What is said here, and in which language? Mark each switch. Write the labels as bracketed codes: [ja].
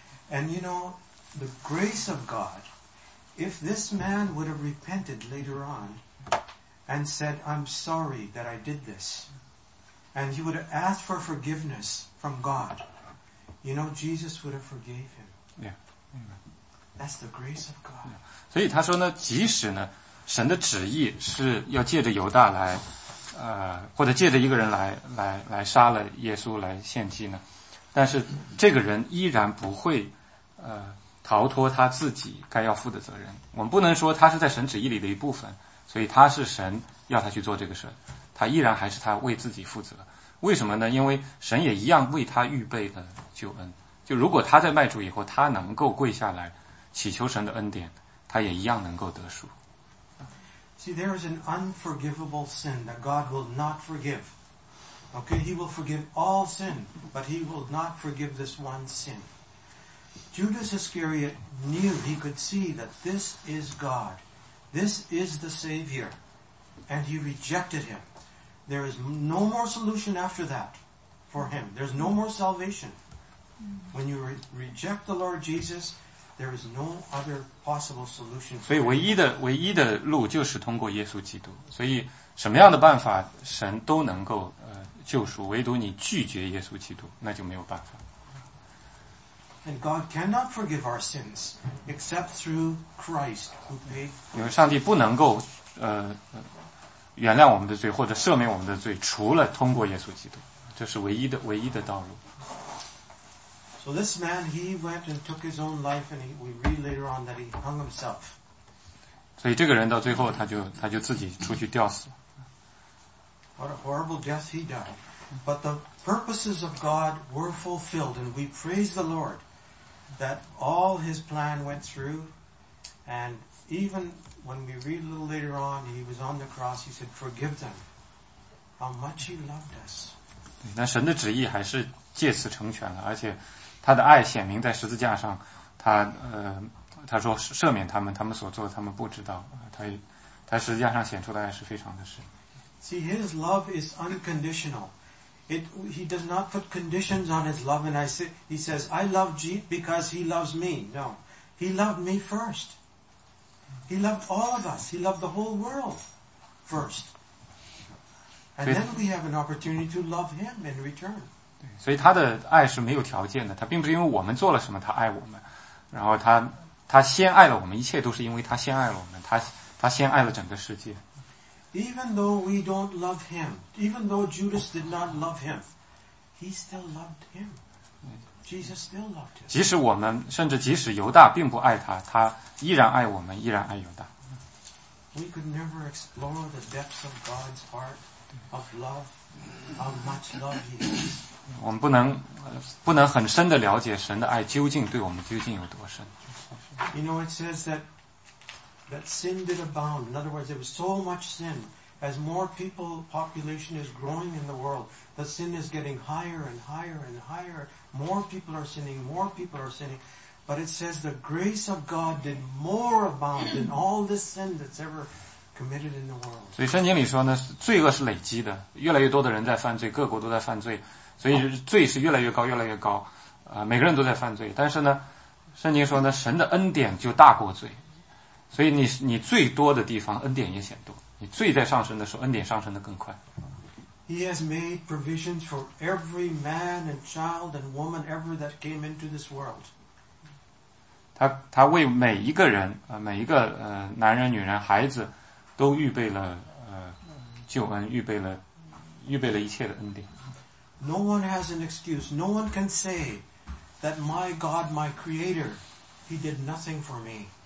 [en] And you know, the grace of God, if this man would have repented later on and said, I'm sorry that I did this,And he would have asked for forgiveness from God. You know, Jesus would have forgave him. Yeah. That's the grace of God. Yeah. [zh] 所以他说呢，即使呢，神的旨意是要借着犹大来，或者借着一个人来杀了耶稣来献祭呢，但是这个人依然不会，逃脱他自己该要负的责任。我们不能说他是在神旨意里的一部分，所以他是神要他去做这个事。他依然还是他为自己负责，为什么呢？因为神也一样为他预备的救恩。就如果他在卖主以后，他能够跪下来祈求神的恩典，他也一样能够得赎。 [en] See, there is an unforgivable sin that God will not forgive. Okay, He will forgive all sin, but He will not forgive this one sin. Judas Iscariot knew, he could see that this is God, this is the Savior, and he rejected him. There is no more solution after that for him. There's no more salvation. When you reject the Lord Jesus, there is no other possible solution. [zh] 所以唯一的路就是通过耶稣基督。所以什么样的办法神都能够救赎，唯独你拒绝耶稣基督，那就没有办法。 [en] And God cannot forgive our sins except through Christ who paid. [zh] 因为上帝不能够原谅我们的罪或者赦免我们的罪除了通过耶稣基督，这是唯一的道路。 [en] So So this man, he went and took his own life, and we read later on that he hung himself. [zh] 所以这个人到最后他就自己出去吊死。 [en] What a horrible death he died. But the purposes of God were fulfilled, and we praise the Lord that all his plan went through, and even when we read a little later on, he was on the cross, he said, forgive them how much he loved us. [zh] 对，那神的旨意还是借此成全了，而且他的爱显明在十字架上，他说赦免他们，他们所做的他们不知道，他十字架上显出的爱是非常的深。 [en] See, his love is unconditional. He does not put conditions on his love, and he says, I love Jesus because he loves me. No, he loved me first. He loved all of us. He loved the whole world first. And then we have an opportunity to love him in return. [zh] 所以他的爱是没有条件的，他并不是因为我们做了什么他爱我们，然后他先爱了我们，一切都是因为他先爱了我们，他先爱了整个世界。 [en] Even though we don't love him, even though Judas did not love him, he still loved him. Jesus still loved him. [zh] 即使我们，甚至即使犹大并不爱他，他依然爱我们，依然爱犹大。 [en] We could never explore the depths of God's heart of love, how much love he has. [zh] 我们不能很深的了解神的爱究竟对我们究竟有多深。 [en] You know, it says that sin did abound. In other words, there was so much sin. As more people, population is growing in the world, the sin is getting higher and higher and higher. More people are sinning, more people are sinning. But it says the grace of God did more abound than all this sin that's ever committed in the world. [zh] 所以圣经里说呢，罪恶是累积的，越来越多的人在犯罪，各国都在犯罪，所以罪是越来越高，越来越高。每个人都在犯罪，但是呢，圣经说呢，神的恩典就大过罪。所以你最多的地方恩典也显多，你罪在上升的时候恩典上升的更快。 [en] He has made provisions for every man and child and woman ever that came into this world. [zh] 他为每一个人每一个男人女人孩子都预备了救恩，预备了一切的恩典。 [en] No one has an excuse. No one can say that my God, my creator, he did nothing for me.